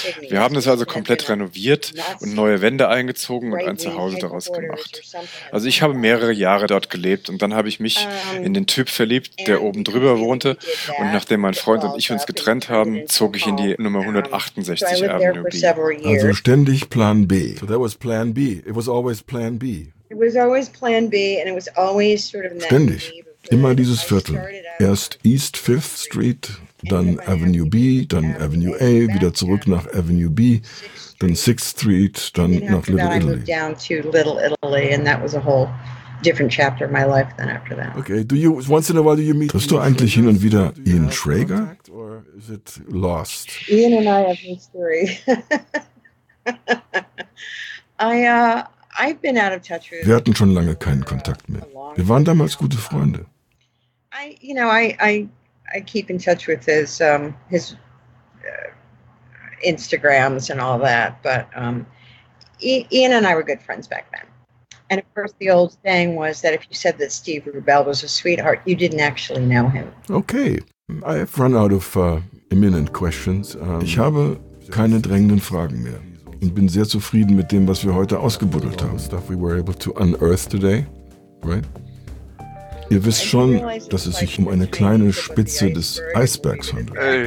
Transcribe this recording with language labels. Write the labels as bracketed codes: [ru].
[de] Wir haben es also komplett renoviert und neue Wände eingezogen und ein Zuhause daraus gemacht. Also ich habe mehrere Jahre dort gelebt und dann habe ich mich in den Typ verliebt, der oben drüber war. Wohnte. Und nachdem mein Freund und ich uns getrennt haben, zog ich in die Nummer 168 Avenue B. Also ständig Plan B. [en] So that was Plan B. It was always Plan B. It was always Plan B and it was always sort of [de] ständig. Immer dieses Viertel. Erst East 5th Street, dann Avenue B, dann Avenue A, wieder zurück nach Avenue B, dann 6th Street, dann nach Little Italy. [en] Down to Little Italy and that was a whole different chapter of my life than after that. Okay, do you once in a while do you meet? [de] Triffst du eigentlich hin und wieder Ian Schrager? [en] Or is it lost? Ian and I have history. I've been out of touch with. [de] Wir hatten schon lange keinen Kontakt mehr. Wir waren damals gute Freunde. [en] I keep in touch with his Instagrams and all that, but Ian and I were good friends back then. And of course, the old saying was that if you said that Steve Rubell was a sweetheart, you didn't actually know him. Okay, I have run out of imminent questions. [de] Ich habe keine drängenden Fragen mehr und bin sehr zufrieden mit dem, was wir heute ausgebuddelt haben. [en] Stuff we were able to unearth today, right? [de] Ihr wisst schon, dass es sich um eine kleine Spitze des Eisbergs handelt.